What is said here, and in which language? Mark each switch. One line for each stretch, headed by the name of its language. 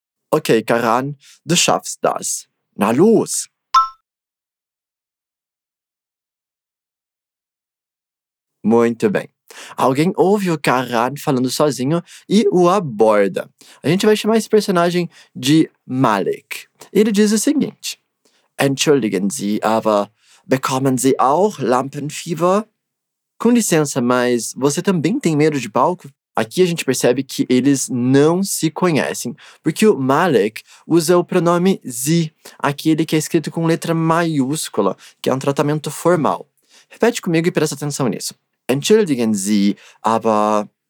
German: Ok, Karan, du schaffst das. Na luz.
Portuguese: Muito bem. Alguém ouve o Karan falando sozinho e o aborda. A gente vai chamar esse personagem de Malik. Ele diz o seguinte.
German: Entschuldigen Sie, aber bekommen Sie auch Lampenfieber?
Portuguese: Com licença, mas você também tem medo de palco? Aqui a gente percebe que eles não se conhecem, porque o Malik usa o pronome Sie, aquele que é escrito com letra maiúscula, que é um tratamento formal. Repete comigo e presta atenção nisso.
German: Entschuldigen Sie, aber...